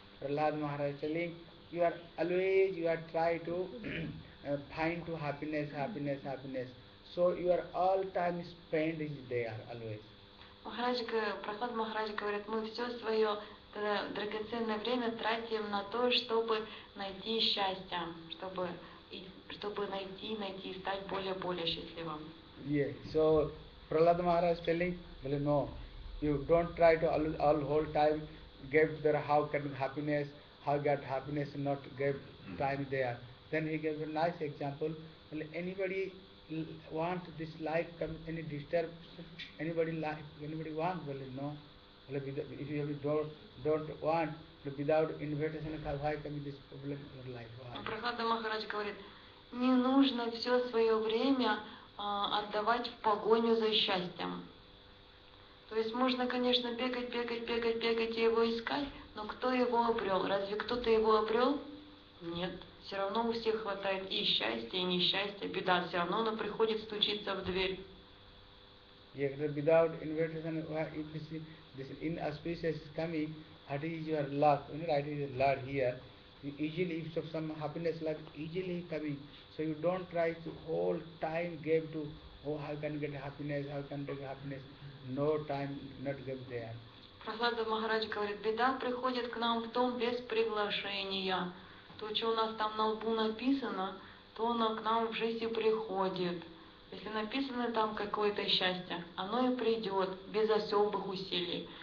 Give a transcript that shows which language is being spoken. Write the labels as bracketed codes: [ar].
[en] Prahlad Maharaj telling, you are trying to find to happiness. So, you are all time spent is there, always. [ru] Прахлад Махарадж говорит, мы все свое драгоценное время тратим на то, чтобы найти счастье, чтобы найти и стать более счастливым. [en] Yeah. So Prahlad Maharaj telling, well, no, you don't try to all whole time give there how can happiness, how get happiness, not give time there. Then he gave a nice example. Well, anybody want this life come any disturb anybody life anybody want well no well, if you don't want without invitation why come this problem in your life why? [ru] Прахлада Махарадж говорит, не нужно все свое время отдавать в погоню за счастьем. То есть можно, конечно, бегать и его искать, но кто его обрел? Разве кто-то его обрел? Нет. Все равно у всех хватает и счастья, и несчастья, беда. Все равно она приходит стучиться в дверь. [en] Yeah, the without invitation, if this, this inauspicious is coming, that is your luck. You know, that is your luck here. You easily, if some happiness luck easily coming. So you don't try to whole time give to, oh, how can I get happiness. No time, not give there. [ru] Прахлада Махарадж говорит, беда приходит к нам в дом без приглашения. То, что у нас там на лбу написано, то оно к нам в жизни приходит. Если написано там какое-то счастье, оно и придет без особых усилий.